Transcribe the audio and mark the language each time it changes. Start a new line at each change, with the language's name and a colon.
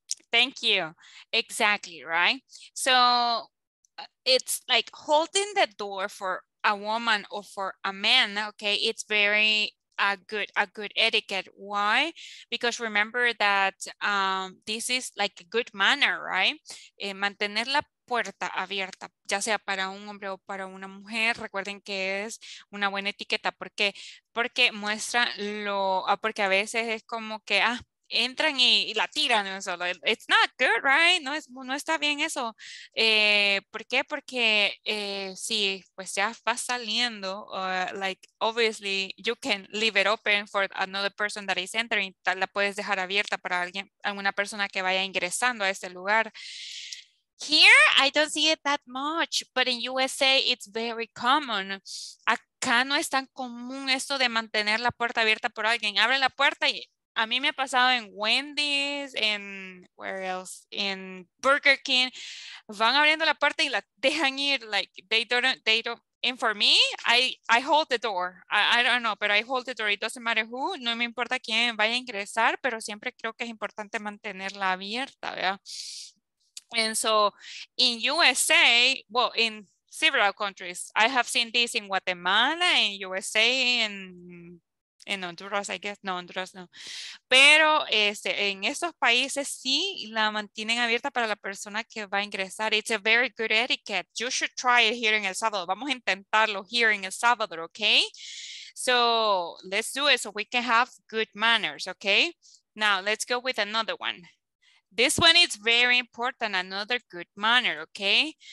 English: Thank you. Exactly, right? So it's like holding the door for a woman or for a man, okay? It's very a good etiquette. Why? Because remember that this is like a good manner, right?
Spanish: Mantener la puerta abierta, ya sea para un hombre o para una mujer, recuerden que es una buena etiqueta. ¿Por qué? Porque muestra lo, porque a veces es como que, entran y la tiran, solo.
English: It's not good, right?
Spanish: No está bien eso. ¿Por qué? Porque sí, pues ya va saliendo,
English: like obviously you can leave it open for another person that is entering,
Spanish: la puedes dejar abierta para alguien, alguna persona que vaya ingresando a este lugar.
English: Here, I don't see it that much, but in USA, it's very common.
Spanish: Acá no es tan común esto de mantener la puerta abierta por alguien. Abre la puerta y a mí me ha pasado en Wendy's, en,
English: where else,
Spanish: en Burger King. Van abriendo la puerta y la dejan ir,
English: like, they don't, and for me, I hold the door. I don't know, but I hold the door. It doesn't matter who,
Spanish: no me importa quién vaya a ingresar, pero siempre creo que es importante mantenerla abierta, ¿verdad?
English: And so in USA, well, in several countries, I have seen this in Guatemala, in USA, in Honduras, I guess.
Spanish: No, Honduras no. Pero en esos países sí la mantienen abierta para la persona que va a ingresar.
English: It's a very good etiquette. You should try it here in El Salvador.
Spanish: Vamos a intentarlo
English: here in El Salvador, okay? So let's do it so we can have good manners, okay? Now let's go with another one. This one is very important, another good manner, okay?